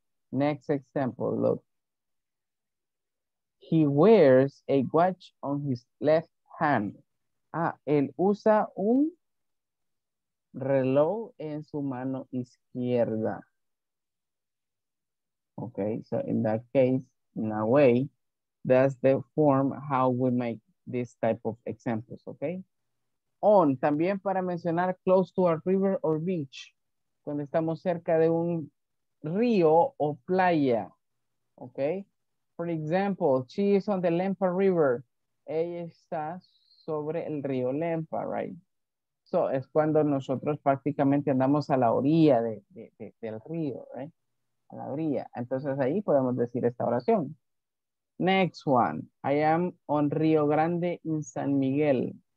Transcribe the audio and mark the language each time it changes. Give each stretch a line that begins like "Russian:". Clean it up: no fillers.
English: Next example. Look. He wears a watch on his left hand.
Spanish: Ah, él usa un reloj en su mano izquierda.
English: Okay, so in that case, in a way, that's the form how we make this type of examples, okay?
Spanish: On, también para mencionar
English: close to a river or beach,
Spanish: cuando estamos cerca de un río o playa, okay?
English: For example, she is on the Lempa River.
Spanish: Ella está sobre el río Lempa, right? So, es cuando nosotros prácticamente andamos a la orilla del río, right? A la orilla. Entonces ahí podemos decir esta oración.
English: Next one. I am on Rio Grande in San Miguel.